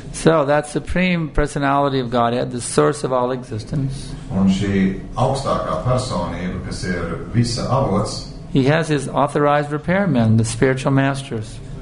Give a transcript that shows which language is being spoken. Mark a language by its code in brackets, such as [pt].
[en] So that supreme personality of Godhead, the source of all existence. [lv] Un šī augstākā personība, kas ir visa avots. [en] He has his authorized repairmen, the spiritual masters.